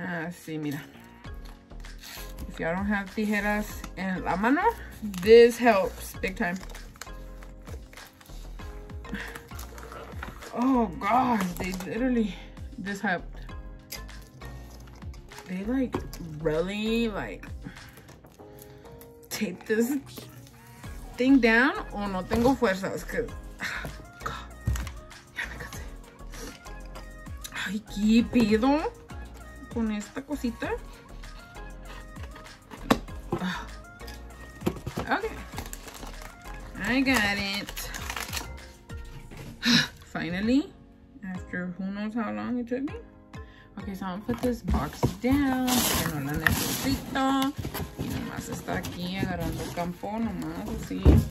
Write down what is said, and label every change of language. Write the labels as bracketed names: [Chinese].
[Spanish] Sí, mira. [English] Y'all don't have tijeras [Spanish] en la mano, [English] this helps big time. Oh god, they literally just have, they like really like tape this thing down. [Spanish] Oh, no tengo fuerzas, cause aquí pido con esta cosita. [English] Okay, I got it. Finally, after who knows how long it took me. Okay, so I'm gonna put this box down. [Spanish] Que no la necesito. Y nomás está aquí agarrando campo, nomás así.